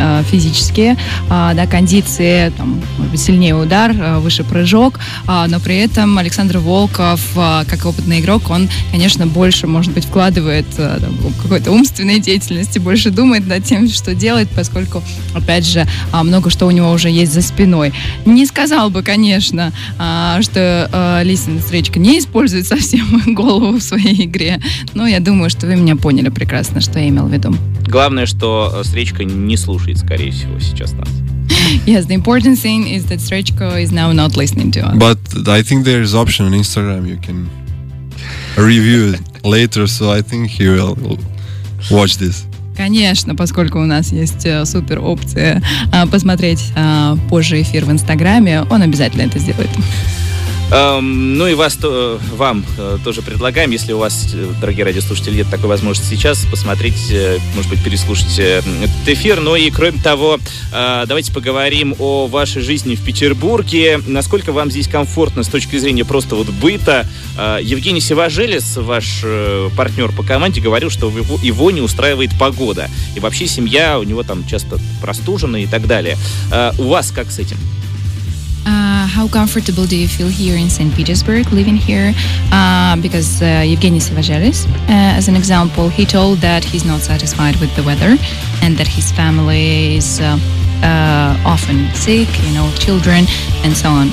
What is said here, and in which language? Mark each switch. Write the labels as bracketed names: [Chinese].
[Russian] физические, да, кондиции, там, может быть, сильнее удар, выше прыжок, но при этом Александр Волков, как опытный игрок, он, конечно, больше, может быть, вкладывает в какой-то умственной деятельности, больше думает над тем, что делает, поскольку, опять же, много что у него уже есть за спиной. Не сказал бы, конечно, что Лисина Стречка не использует совсем голову в своей игре, но я думаю, что вы меня поняли прекрасно, что я имел в виду. Главное, что Стречка не слушает, скорее всего, сейчас нас. [English] Yes, the important thing is that Стречка is now not listening to us. But I think there is option on Instagram, you can review it later, so I think he will watch this. [Russian] Конечно, поскольку у нас есть супер опция посмотреть позже эфир в Инстаграме, он обязательно это сделает. Ну и вам тоже предлагаем, если у вас, дорогие радиослушатели, нет такой возможности сейчас посмотреть, может быть, переслушать этот эфир. Ну и кроме того, давайте поговорим о вашей жизни в Петербурге. Насколько вам здесь комфортно с точки зрения просто вот быта? Евгений Сиважелес, ваш партнер по команде, говорил, что его не устраивает погода. И вообще семья у него там часто простужена и так далее. У вас как с этим? [English] How comfortable do you feel here in St. Petersburg, living here? Because Evgeny Sivajelis, as an example, he told that he's not satisfied with the weather and that his family is often sick, you know, children and so on.